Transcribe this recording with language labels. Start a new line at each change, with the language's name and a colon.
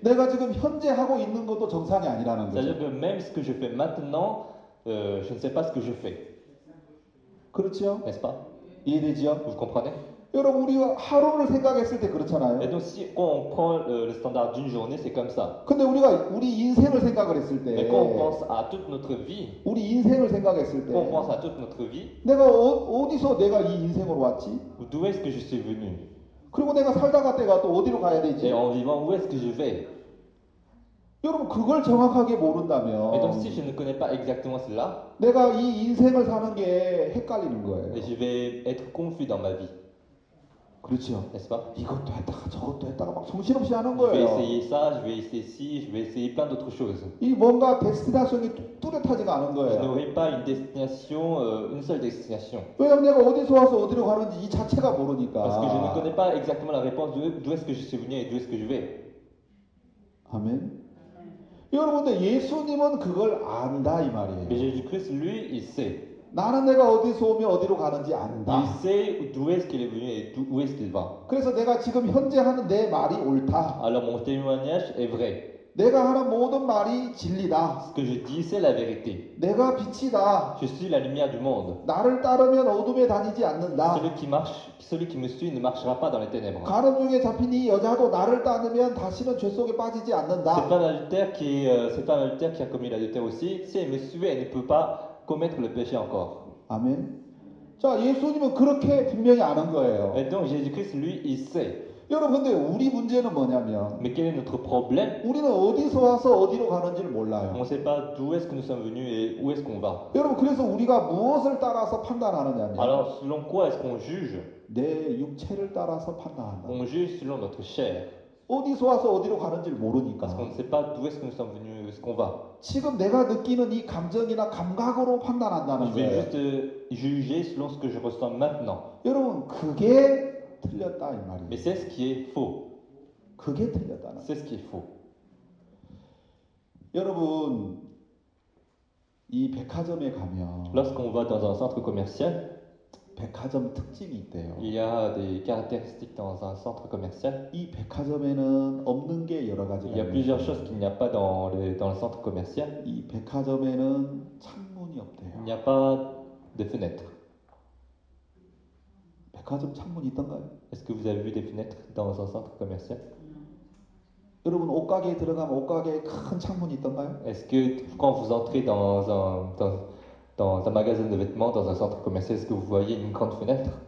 Korean: 내가 지금 현재 하고 있는 것도 정상이 아니라는 거죠.
French: C'est-à-dire que même ce que je fais maintenant, je ne sais pas ce que je fais.
Korean: 그렇죠?
French: N'est-ce pas?
Korean: 이해되죠?
French: Vous comprenez?
Korean: 여러분 우리가 하루를 생각했을 때 그렇잖아요.
French: Et donc si on prend le standard d'une journée, c'est comme ça.
Korean: 근데 우리가 우리 인생을 생각을 했을 때,
French: Mais quand on pense à toute notre vie,
Korean: 우리 인생을 생각했을 때,
French: quand on pense à toute notre vie,
Korean: 내가 어디서 내가 이 인생으로 왔지?
French: D'où est-ce que je suis venu?
Korean: 그리고 내가 살다가 때가 또 어디로 가야 되지?
French: Et en vivant, où est-ce que je vais?
Korean: 여러분 그걸 정확하게 모른다면,
French: Et donc si je ne connais pas exactement cela,
Korean: 내가 이 인생을 사는 게 헷갈리는 거예요.
French: Et je vais être confus dans ma vie.
Korean: 그렇죠.
French: N'est-ce pas?
Korean: 이것도 했다가 저것도 했다가 막 정신없이 하는 거예요.
French: Je vais essayer ça, je vais essayer ci, je vais essayer plein d'autres choses.
Korean: 이 뭔가 데스티나션이 뚜렷하지가 않은 거예요.
French: Je n'aurai pas une destination, une seule destination.
Korean: 왜냐면 내가 어디서 와서 어디로 가는지 이 자체가 모르니까.
French: Parce que je ne connais pas exactement la réponse d'où est-ce que je suis venu et d'où est-ce que je vais.
Korean: 아멘. 여러분들 예수님은 그걸 안다 이 말이에요.
French: Mais Jésus-Christ, lui, il sait.
Korean: 나는 내가 어디서 오며 어디로 가는지 안다.
French: Il sait d'où est-ce qu'il est venu et d'où est-ce qu'il va.
Korean: 그래서 내가 지금 현재 하는 내 말이 옳다.
French: Alors mon témoignage est vrai.
Korean: 내가 하는 모든 말이 진리다.
French: Ce que je dis c'est la vérité.
Korean: 내가 빛이다.
French: Je suis la lumière du monde.
Korean: 나를 따르면 어둠에 다니지 않는다.
French: Celui qui me suit ne marchera pas dans les ténèbres.
Korean: 가룟 중에 잡힌 이 여자도 나를 따르면 다시는 죄 속에 빠지지 않는다.
French: C'est un adultère qui a commis l'adultère aussi. Si elle me suit, elle ne peut pas commettre le péché encore. Amen.
Korean: 자, 예수님은 그렇게 분명히 아는 거예요.
French: Et donc Jésus-Christ lui il sait.
Korean: 여러분, 근데 우리 문제는 뭐냐면
French: Mais quel est notre problème?
Korean: 우리는 어디서 와서 어디로 가는지를 몰라요.
French: On sait pas d'où est-ce que nous sommes venus et où est-ce qu'on va.
Korean: 여러분, 그래서 우리가 무엇을 따라서 판단하느냐면
French: Alors selon quoi est-ce qu'on juge?
Korean: 내 육체를 따라서 판단한다.
French: On juge selon notre chair.
Korean: 어디서 와서 어디로 가는지를 모르니까.
French: Parce qu'on ne sait pas d'où est-ce que nous sommes venus et où est-ce qu'on va.
Korean: 지금 내가 느끼는 이 감정이나 감각으로 판단한다는 거예요.
French: Je vais juste juger selon ce que je ressens maintenant.
Korean: 여러분 그게 틀렸다 이 말이에요.
French: Mais c'est ce qui est faux.
Korean: 그게 틀렸다는.
French: C'est ce qui est faux.
Korean: 여러분 이 백화점에 가면
French: Lorsqu'on va dans un centre commercial,
Korean: 백화점 특징이 있대요.
French: Il y a des caractéristiques dans un centre commercial.
Korean: 이 백화점에는 없는 게 여러 가지가
French: Il y a plusieurs choses qu'il n'y a pas dans le centre commercial.
Korean: 이 백화점에는 창문이 없대요.
French: Il n'y a pas de fenêtres.
Korean: 백화점 창문이 있던가요?
French: Est-ce que vous avez vu des fenêtres dans un centre commercial?
Korean: 여러분 옷가게에 들어가면 옷가게에 큰 창문이 있던가요?
French: Est-ce que quand vous entrez dans un magasin de vêtements, dans un centre commercial, est-ce que vous voyez une grande fenêtre?